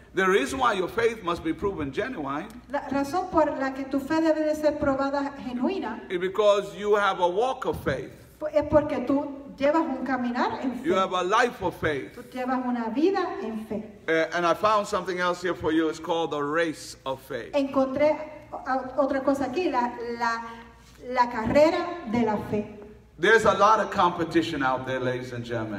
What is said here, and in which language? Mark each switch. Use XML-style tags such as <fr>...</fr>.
<en>The reason why your faith must be proven genuine,</en> <es>la razón por la que tu fe debe de ser probada genuina,</es> <en>is because you have a walk of faith.</en> <es>Es porque tú llevas un caminar en fe.</es> <en>You have a life of faith.</en> <es>Tú llevas una vida en fe.</es> <en>And I found something else here for you. It's called the race of faith.</en> <es>Encontré otra cosa aquí, la carrera de la fe.</es> <en>There's a lot of competition out there, ladies and gentlemen.</en>